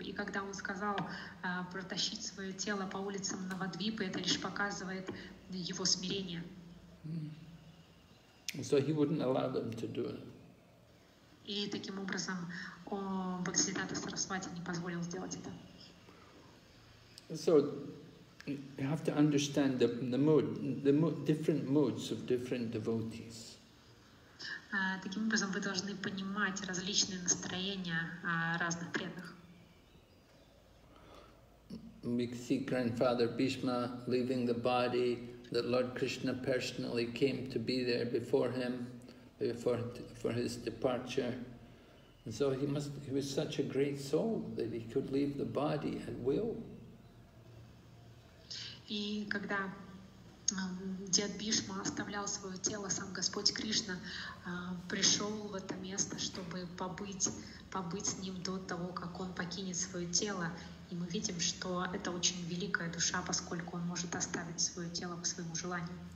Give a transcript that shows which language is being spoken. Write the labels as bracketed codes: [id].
[ru] И когда он сказал протащить свое тело по улицам Навадвипы, это лишь показывает его смирение. [en] So he wouldn't allow them to do it. [ru] И таким образом Бхактисиддханта Сарасвати не позволил сделать это. [en] So you have to understand different moods of different devotees. [ru] Таким образом, вы должны понимать различные настроения разных преданных. [en] We see Grandfather Bhishma leaving the body, that Lord Krishna personally came to be there before him, for his departure. And so he was such a great soul that he could leave the body at will. [ru] И когда дед Бишма оставлял свое тело, сам Господь Кришна пришел в это место, чтобы побыть с ним до того, как он покинет свое тело. И мы видим, что это очень великая душа, поскольку он может оставить свое тело по своему желанию.